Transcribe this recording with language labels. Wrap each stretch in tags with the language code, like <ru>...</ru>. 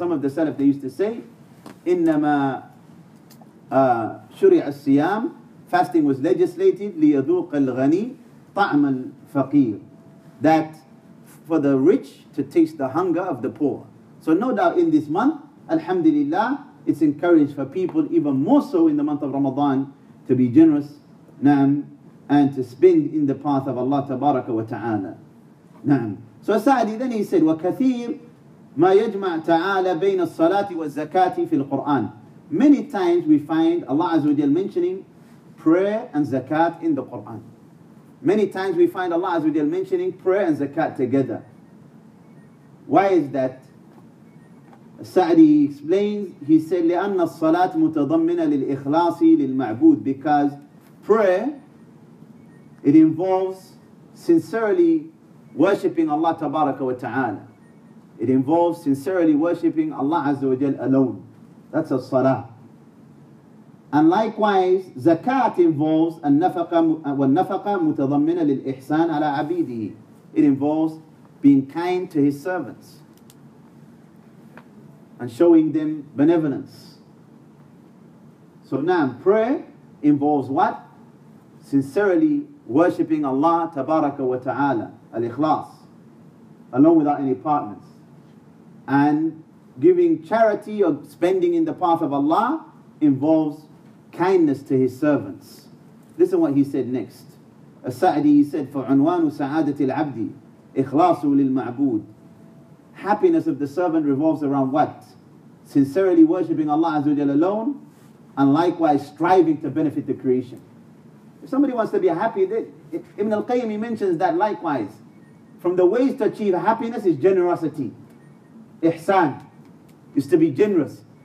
<en>Some of the salaf, they used to say,</en> <ar>innama shuri'a al-siyam,</ar> <en>fasting was legislated,</en> <ar>liyadhuq al-ghani, ta'am al-faqir,</ar> <en>that for the rich to taste the hunger of the poor. So no doubt in this month, alhamdulillah, it's encouraged for people, even more so in the month of Ramadan, to be generous, na'am, and to spend in the path of Allah tabaraka wa ta'ala. Na'am. So Sa'di then he said,</en> <ar>وَكَثِيرْ مَا يَجْمَعْ تَعَالَى بَيْنَ الصَّلَاةِ وَالزَّكَاةِ فِي الْقُرْآنِ.</ar> <en>Many times we find Allah Azza wa Jal mentioning prayer and zakat in the Qur'an. Many times we find Allah Azza wa Jal mentioning prayer and zakat together. Why is that? Sa'di explains, he said,</en> <ar>لِأَنَّ الصَّلَاةِ مُتَضَمِّنَ لِلْإِخْلَاصِ لِلْمَعْبُودِ.</ar> <en>Because prayer, it involves sincerely worshipping Allah Tabaraka wa Ta'ala. It involves sincerely worshipping Allah Azza wa Jal alone. That's a salah. And likewise, zakat involves</en> <ar>النَّفَقَ مُتَضَمِّنَ لِلْإِحْسَانِ عَلَىٰ عَبِيدِهِ.</ar> <en>It involves being kind to his servants and showing them benevolence. So now prayer involves what? Sincerely worshipping Allah Tabaraka wa Ta'ala, al-ikhlas, alone without any partners. And giving charity or spending in the path of Allah involves kindness to His servants. Listen what he said next. As-Sa'di, he said,</en> <ar>فَعُنْوَانُ سَعَادَةِ الْعَبْدِ إِخْلَاصُ لِلْمَعْبُودِ.</ar> <en>Happiness of the servant revolves around what? Sincerely worshipping Allah Azza wa Jalla alone, and likewise striving to benefit the creation. If somebody wants to be happy, Ibn al-Qayyim mentions that likewise. From the ways to achieve happiness is generosity. Ihsan is to be generous.</en>